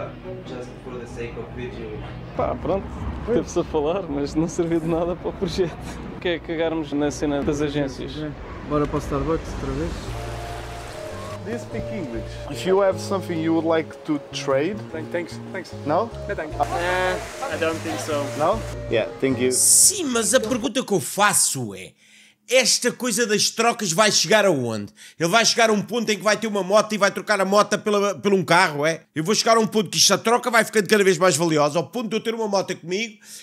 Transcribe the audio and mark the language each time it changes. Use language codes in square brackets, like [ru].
[en] From what I know, my bosses, they will not accept to give like 7,000 Turkish lira just for the sake of video. [pt] Pá, pronto. Teve-se a falar, mas não serviu de nada para o projeto. Quer cagarmos na cena das agências? Bora para o Starbucks outra vez. [en] Do you speak English? If you have something you would like to trade. Thanks. No? No, thank you. [pt] Não? [en] Yeah, thank you. [pt] Sim, mas a pergunta que eu faço é: esta coisa das trocas vai chegar aonde? Ele vai chegar a um ponto em que vai ter uma moto e vai trocar a moto por um carro, é? Eu vou chegar a um ponto que esta troca vai ficando cada vez mais valiosa, ao ponto de eu ter uma moto comigo.